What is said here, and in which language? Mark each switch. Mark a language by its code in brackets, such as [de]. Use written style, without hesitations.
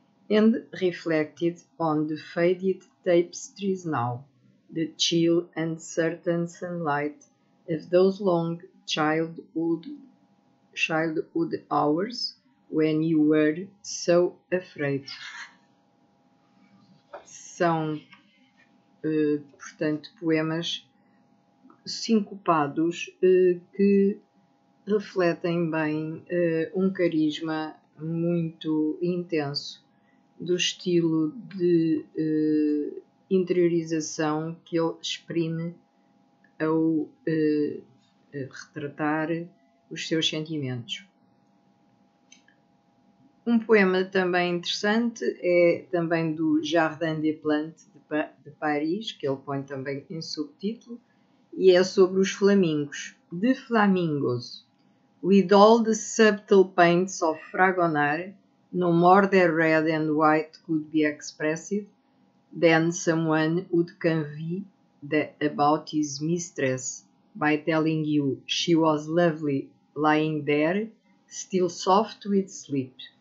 [en] And reflected on the faded tapestries now, the chill and certain sunlight of those long childhood hours when you were so afraid. [pt] São, portanto, poemas sincopados que refletem bem um carisma muito intenso do estilo de interiorização que ele exprime ao retratar os seus sentimentos. Um poema também interessante é também do Jardin des Plantes de Paris, que ele põe também em subtítulo, e é sobre os flamingos. De flamingos. [en] With all the subtle paints of Fragonard, no more their red and white could be expressed than someone would convey about his mistress by telling you she was lovely lying there, still soft with sleep.